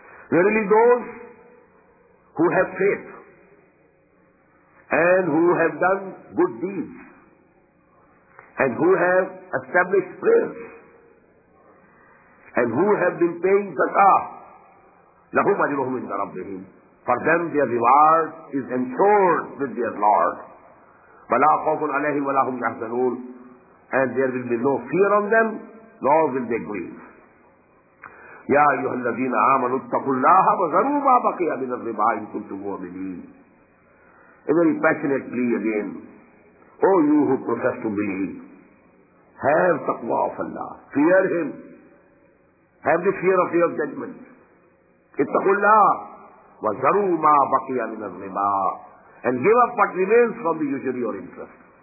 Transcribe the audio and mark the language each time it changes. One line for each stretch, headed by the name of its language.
English: Verily those who have faith and who have done good deeds and who have established prayers and who have been paying zakah,
Arabic: لَهُمْ أَجْرُهُمْ عِندَ رَبِّهِمْ.
English: For them their reward is ensured with their Lord.
Arabic: وَلَا خَوْفٌ عَلَيْهِمْ وَلَا هُمْ يَحْزَنُونَ.
English: And there will be no fear on them, nor will they grieve.
Arabic: يَا أَيُّهَا الَّذِينَ آمَنُوا اتَّقُوا اللَّهَ وَذَرُوا مَا بَقِيَ مِنَ الرِّبَا إِن كُنتُم مُّؤْمِنِينَ.
English: A very passionate plea again. O you who profess to believe, have taqwa of Allah. Fear Him. Have the fear of your judgment.
Arabic: اتَّقُوا اللَّهَ وَذَرُوا مَا بَقِيَ مِنَ الرِّبَا.
English: And give up what remains from the usury or interest.